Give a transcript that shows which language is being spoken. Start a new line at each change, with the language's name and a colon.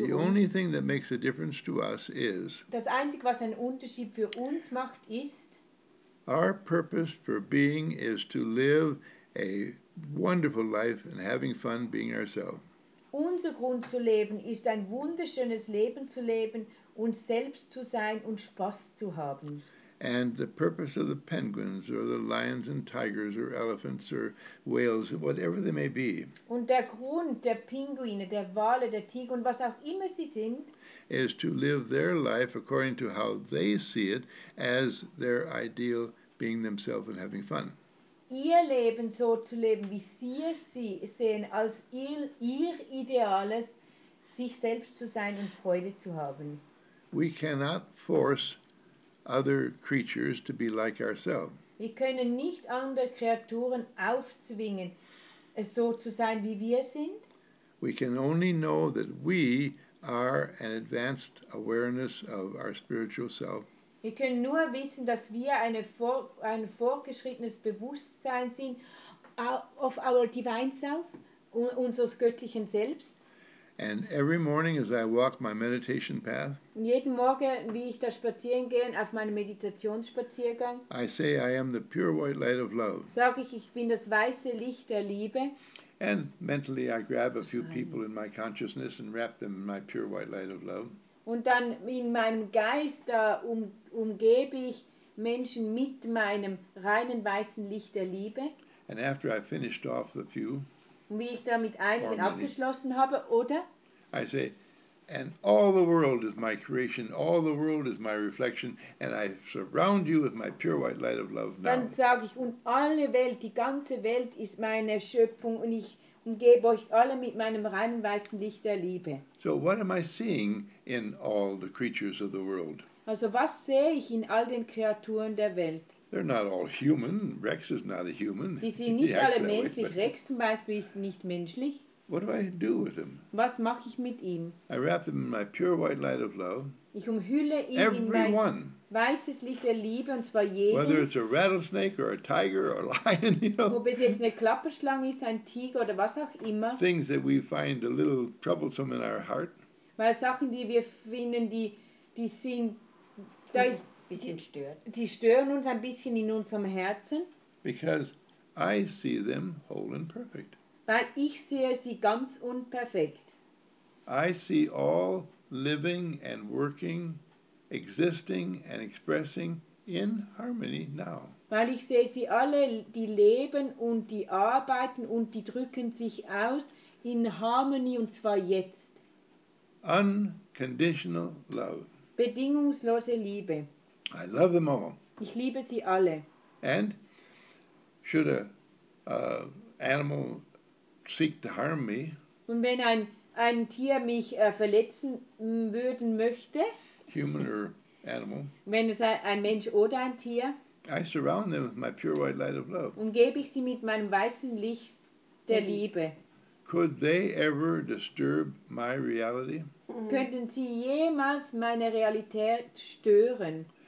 German: uns.
English: The only thing that makes a difference to us is.
German: Das Einzige, was einen Unterschied für uns macht, ist.
English: Our purpose for being is to live a wonderful life and having fun being ourselves.
German: Unser Grund zu leben ist ein wunderschönes Leben zu leben und selbst zu sein und Spaß zu haben.
English: And the purpose of the penguins or the lions and tigers or elephants or whales, whatever they may be.
German: Und der Grund der Pinguine, der Wale, der Tiger und was auch immer sie sind,
English: is to live their life according to how they see it as their ideal being themselves and having fun.
German: Ihr Leben so zu leben, wie sie es sehen, als ihr Ideales, sich selbst zu sein und Freude zu haben.
English: We cannot force other creatures to be like ourselves.
German: Wir können nicht andere Kreaturen aufzwingen, es so zu sein, wie wir sind.
English: We can only know that we are an advanced awareness of our spiritual self.
German: Wir können nur wissen, dass wir ein fortgeschrittenes Bewusstsein sind
English: of our divine self,
German: unseres göttlichen Selbst.
English: And every morning as I walk my meditation path,
German: und jeden Morgen, wie ich da spazieren gehe, auf meinem Meditationsspaziergang,
English: I say I am the pure white light of love.
German: Sage ich bin das weiße Licht der Liebe.
English: And mentally I grab a few people in my consciousness and wrap them in my pure white light of love.
German: Und dann in meinem Geist umgebe ich Menschen mit meinem reinen weißen Licht der Liebe.
English: And after I finished off the few,
German: und wie ich da mit einigen abgeschlossen habe, oder?
English: I say, and all the world is my creation, all the world is my reflection, and I surround you with my pure white light of love now.
German: Dann sage ich, und alle Welt, die ganze Welt ist meine Schöpfung und ich umgebe euch alle mit meinem reinen weißen Licht der Liebe.
English: So what am I seeing in all the creatures of the world?
German: Also was sehe ich in all den Kreaturen der Welt?
English: They're not all human. Rex is not a human.
German: Sie sind nicht alle menschlich. Rex zum Beispiel ist nicht menschlich.
English: What do I do with him?
German: Was mache ich mit ihm?
English: I wrap him in my pure white light of love.
German: Ich umhülle ihn
English: everyone.
German: In mein weißes Licht der Liebe, und zwar jeden.
English: Whether it's a rattlesnake or a tiger or a lion, you know.
German: Ob es jetzt eine Klapperschlange ist, ein Tiger oder was auch immer.
English: Things that we find a little troublesome in our heart.
German: Weil Sachen, die wir finden, die sind, da ist bisschen stört. Die stören uns ein bisschen in unserem Herzen.
English: Because I see them whole and perfect.
German: Weil ich sehe sie ganz unperfekt.
English: I see all living and working, existing and expressing in harmony now.
German: Weil ich sehe sie alle, die leben und die arbeiten und die drücken sich aus in Harmony, und zwar jetzt.
English: Unconditional love.
German: Bedingungslose Liebe.
English: I love them all.
German: Ich liebe sie alle.
English: And should a animal seek to harm me?
German: Und wenn ein Tier mich verletzen würden möchte?
English: Human or animal?
German: Wenn es ein Mensch oder ein Tier?
English: I surround them with my pure white light of love.
German: Umgebe ich sie mit meinem weißen Licht der Liebe.
English: Could they ever disturb my reality?
German: Könnten sie jemals meine Realität stören?